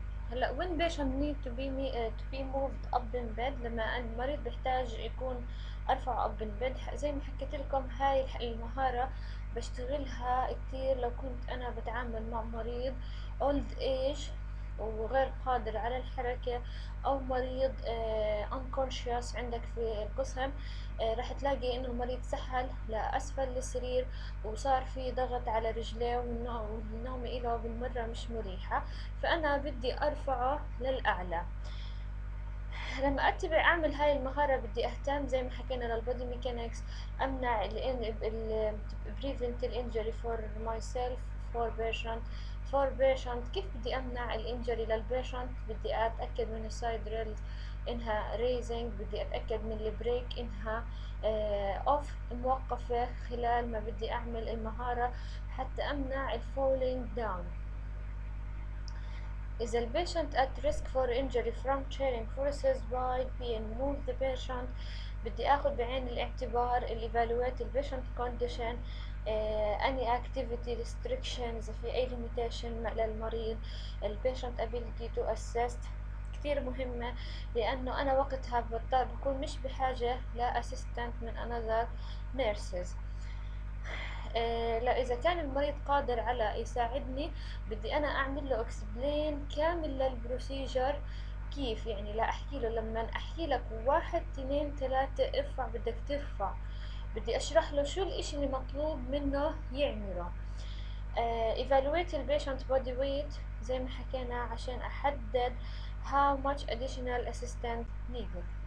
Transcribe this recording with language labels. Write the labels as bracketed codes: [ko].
[en] هلا وين بيش need to be to be moved up in bed، [ar] لما المريض بيحتاج يكون ارفع [en] up in bed. [ar] زي ما حكيت لكم هاي المهارة بشتغلها كتير لو كنت انا بتعامل مع مريض old age وغير قادر على الحركة، او مريض unconscious عندك في القسم. راح تلاقي انه المريض سحل لاسفل السرير وصار في ضغط على رجليه والنوم اله بالمرة مش مريحة، فانا بدي ارفعه للاعلى. لما اتبع اعمل هاي المهارة بدي اهتم زي ما حكينا للبودي ميكانيكس، امنع ال [en] prevent ال injury for myself for patient. [ar] فور بيشنت كيف بدي امنع الانجري للبيشنت؟ بدي اتاكد من السايد ريل انها ريزنج، بدي اتاكد من البريك انها اوف موقفه خلال ما بدي اعمل المهاره، حتى امنع الفولينج داون. [en] Is the patient at risk for injury from chairing forces by being moved the patient؟ [ar] بدي اخذ بعين الاعتبار [en] ال evaluate the patient condition، any activity restrictions، في اي limitation للمريض. [ar] ال [en] patient ability to assist [ar] كثير مهمة، لانه انا وقتها بضطر بكون مش بحاجة ل assistant من [en] another nurses. [ar] لو اذا كان المريض قادر على يساعدني بدي انا اعمل له اكسبلين كامل للبروسيجر. كيف يعني؟ لا احكي له، لما احكي لك واحد اثنين ثلاثة ارفع بدك ترفع، بدي اشرح له شو الاشي اللي مطلوب منه يعمله. [en] evaluate the patient body weight [ar] زي ما حكينا عشان احدد [en] how much additional assistance needed.